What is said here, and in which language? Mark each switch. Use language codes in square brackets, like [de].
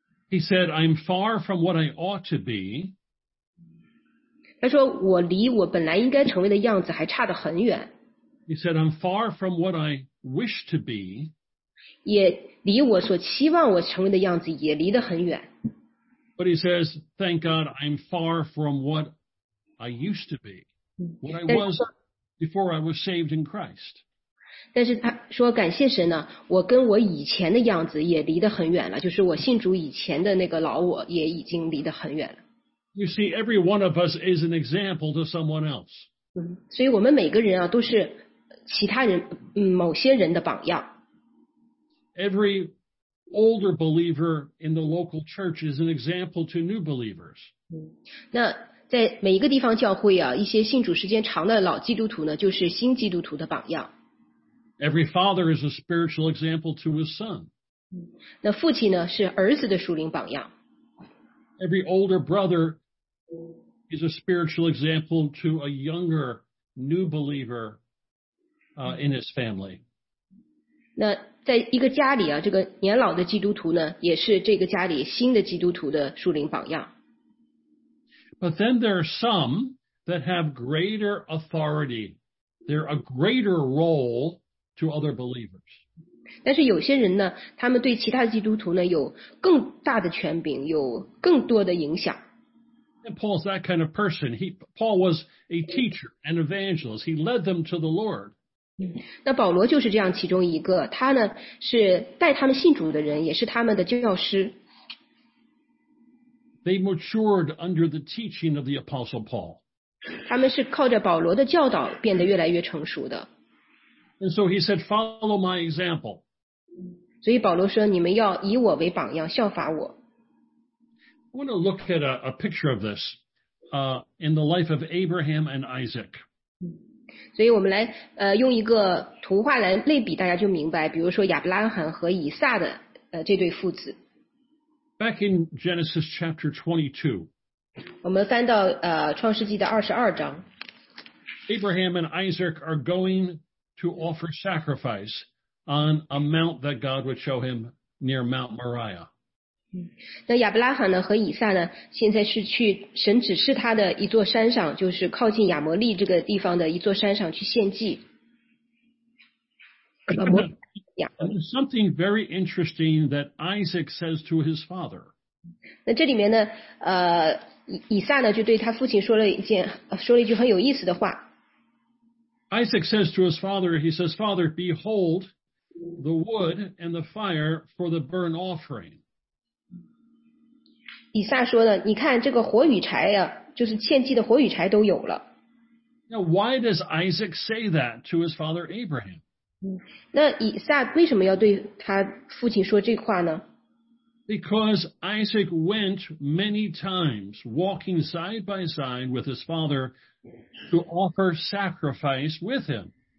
[en] He said, "I'm far from what I ought to be." [zh] 他说：“我离我本来应该成为的样子还差得很远。 [en] ”He said, "I'm far from what I wish to be." [zh] 也离我所期望我成为的样子也离得很远。 [en] But he says, "Thank God, I'm far from what I used to be." What I was before I was saved in Christ. [zh] 但是他说感谢神呢，我跟我以前的样子也离得很远了，就是我信主以前的那个老我也已经离得很远了。 [en] You see, every one of us is an example to someone else. [zh] 所以我们每个人啊都是其他人某些人的榜样。 [en] Every older believer in the local church is an example to new believers. [zh] 那在每一个地方教会啊，一些信主时间长的老基督徒呢，就是新基督徒的榜样。 [en] Every father is a spiritual example to his son. [zh] 那父亲呢，是儿子的属灵榜样。 [en] Every older brother is a spiritual example to a younger new believer, in his family. [zh] 那在一个家里啊，这个年老的基督徒呢，也是这个家里新的基督徒的属灵榜样。 [en] But then there are some that have greater authority. They're a greater role to other believers. [zh] 但是有些人呢，他们对其他基督徒呢有更大的权柄，有更多的影响。 [en] And Paul's that kind of person. Paul was a teacher, an evangelist. He led them to the Lord. [zh] 那保罗就是这样其中一个，他呢是带他们信主的人，也是他们的教师。 [en] They matured under the teaching of the Apostle Paul. [zh] 他们是靠着保罗的教导变得越来越成熟的。 [en] And so he said, "Follow my example." [zh] 所以保罗说，你们要以我为榜样，效法我。 [en] I want to look at a picture of this, in the life of Abraham and Isaac. [zh] 所以我们来用一个图画来类比，大家就明白。比如说亚伯拉罕和以撒的这对父子。 [en] Back in Genesis chapter 22. [zh] 我们翻到创世纪的22章。 [en] Abraham and Isaac are going to offer sacrifice on a mount that God would show him near Mount Moriah. [zh] 那亚伯拉罕呢和以撒呢现在是去神指示他的一座山上，就是靠近亚摩利这个地方的一座山上去献祭。 [en] Something very interesting that Isaac says to his father. [zh] 那这里面呢以撒呢就对他父亲说了一件说了一句很有意思的话。 [en] Isaac says to his father, he says, "Father, behold the wood and the fire for the burnt offering." [zh] 以撒说的，你看这个火与柴呀，就是献祭的火与柴都有了。 [en] Now, why does Isaac say that to his father Abraham? [zh] 那以撒为什么要对他父亲说这话呢？ [en] Because Isaac went many times walking side by side with his father to offer sacrifice with him.